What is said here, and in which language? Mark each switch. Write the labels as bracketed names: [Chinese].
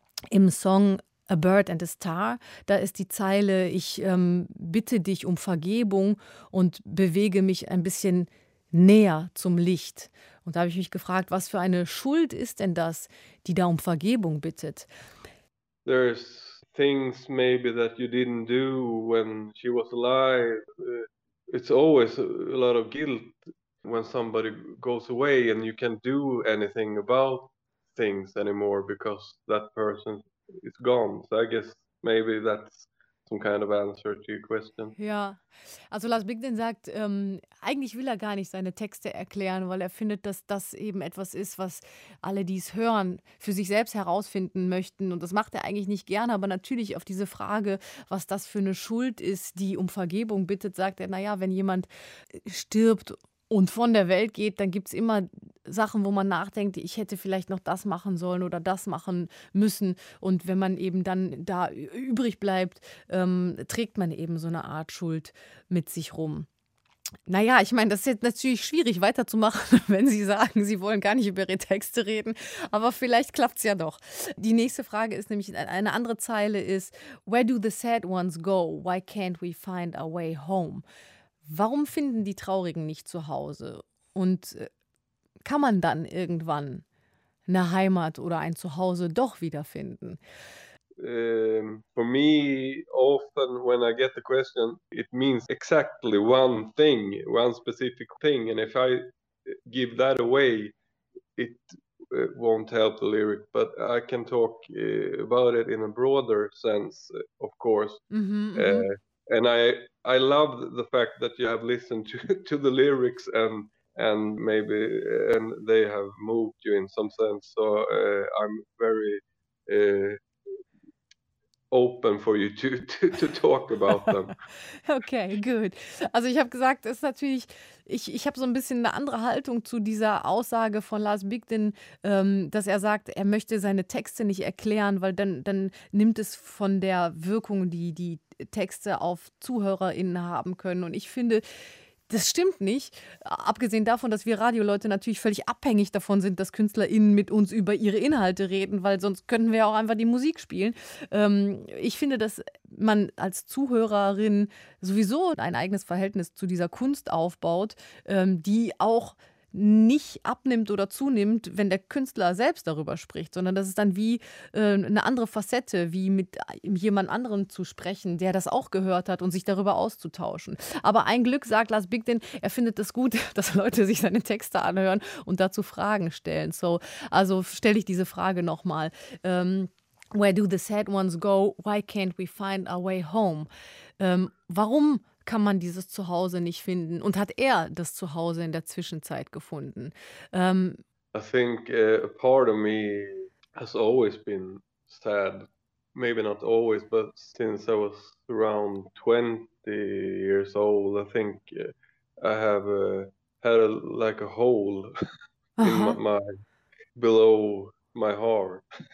[German] Im Song A Bird and a Star, da ist die Zeile, ich bitte dich um Vergebung und bewege mich ein bisschen näher zum Licht. Und da habe ich mich gefragt, was für eine Schuld ist denn das, die da um Vergebung bittet? [English] There's things maybe that you didn't do when she was alive. It's always a lot of guilt when somebody goes away and you can't do anything about things anymore because that person... It's gone. So I guess maybe that's some kind of answer to your question. [German] Ja, also Lars Bigden sagt, eigentlich will er gar nicht seine Texte erklären, weil er findet, dass das eben etwas ist, was alle, die es hören, für sich selbst herausfinden möchten. Und das macht er eigentlich nicht gerne, aber natürlich auf diese Frage, was das für eine Schuld ist, die um Vergebung bittet, sagt er, naja, wenn jemand stirbt und von der Welt geht, dann gibt es immer Sachen, wo man nachdenkt, ich hätte vielleicht noch das machen sollen oder das machen müssen. Und wenn man eben dann da übrig bleibt, trägt man eben so eine Art Schuld mit sich rum. Naja, ich meine, das ist jetzt natürlich schwierig weiterzumachen, wenn Sie sagen, Sie wollen gar nicht über Ihre Texte reden, aber vielleicht klappt es ja doch. Die nächste Frage ist nämlich, eine andere Zeile ist, [English] where do the sad ones go? Why can't we find our way home? [German] Warum finden die Traurigen nicht zu Hause? Und kann man dann irgendwann eine Heimat oder ein Zuhause doch wiederfinden? For me, often when I get the question, it means exactly one thing, one specific thing. And if I give that away, it won't help the lyric. But I can talk about it in a broader sense, of course. And I love the fact that you have listened to the lyrics and maybe and they have moved you in some sense. So I'm very open for you to talk about them. Okay, good. Also ich habe gesagt, es ist natürlich, ich habe so ein bisschen eine andere Haltung zu dieser Aussage von Lars Bigden, dass er sagt, er möchte seine Texte nicht erklären, weil dann nimmt es von der Wirkung, die Texte auf ZuhörerInnen haben können. Und ich finde, das stimmt nicht. Abgesehen davon, dass wir Radioleute natürlich völlig abhängig davon sind, dass KünstlerInnen mit uns über ihre Inhalte reden, weil sonst könnten wir ja auch einfach die Musik spielen. Ich finde, dass man als Zuhörerin sowieso ein eigenes Verhältnis zu dieser Kunst aufbaut, die auch nicht abnimmt oder zunimmt, wenn der Künstler selbst darüber spricht, sondern das ist dann wie eine andere Facette, wie mit jemand anderem zu sprechen, der das auch gehört hat und sich darüber auszutauschen. Aber ein Glück, sagt Lars Bigden, er findet es gut, dass Leute sich seine Texte anhören und dazu Fragen stellen. So, also stelle ich diese Frage nochmal. [English] Where do the sad ones go? Why can't we find our way home? [German] Warum kann man dieses Zuhause nicht finden? Und hat er das Zuhause in der Zwischenzeit gefunden? [English] I think a part of me has always been sad. Maybe not always, but since I was around 20 years old, I think I have had like a hole in below my heart.